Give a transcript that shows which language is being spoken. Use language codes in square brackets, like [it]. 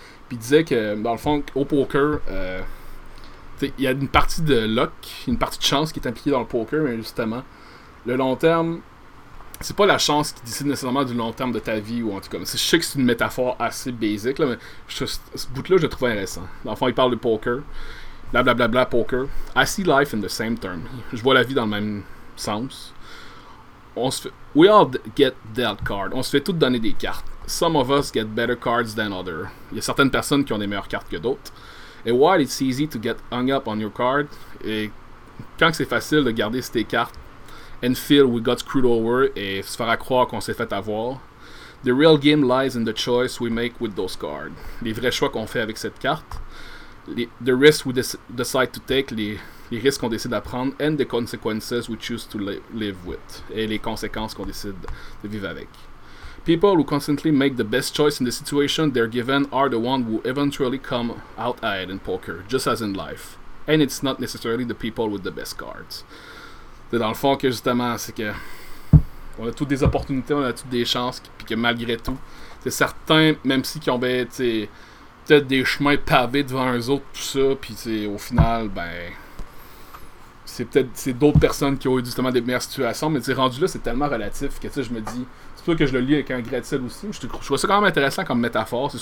[fr] Puis il disait que, dans le fond, au poker, il y a une partie de luck, une partie de chance qui est impliquée dans le poker, mais justement, le long terme, c'est pas la chance qui décide nécessairement du long terme de ta vie, ou en tout cas, je sais que c'est une métaphore assez basic, là, mais ce bout-là, je le trouve intéressant. Dans le fond, il parle de poker, blablabla, poker. [en] I see life in the same term. [fr] Je vois la vie dans le même sens. [en] We all get dealt cards. [fr] On se fait tous donner des cartes. [en] Some of us get better cards than others. [fr] Il y a certaines personnes qui ont des meilleures cartes que d'autres. [en] And while it's easy to get hung up on your card, [fr] et quand c'est facile de garder ses cartes [en] and feel we got screwed over [fr] et se faire croire qu'on s'est fait avoir, [en] the real game lies in the choice we make with those cards. [fr] Les vrais choix qu'on fait avec cette carte, [en] the risks we decide to take, [fr] les risques qu'on décide à prendre, [en] and the consequences we choose to live with, [fr] et les conséquences qu'on décide de vivre avec. [en] People who constantly make the best choice in the situation they're given are the ones who eventually come out ahead in poker, just as in life. And it's not necessarily the people with the best cards. [fr] C'est dans le fond que justement, c'est que on a toutes des opportunités, on a toutes des chances, puis que malgré tout, c'est certains, même si qui ont peut-être des chemins pavés devant eux autres, tout ça, puis au final, ben, c'est peut-être c'est d'autres personnes qui ont eu justement des meilleures situations, mais rendu là, c'est tellement relatif que je me dis, c'est pour ça que je le lis avec un grain de sel aussi, je trouve ça quand même intéressant comme métaphore.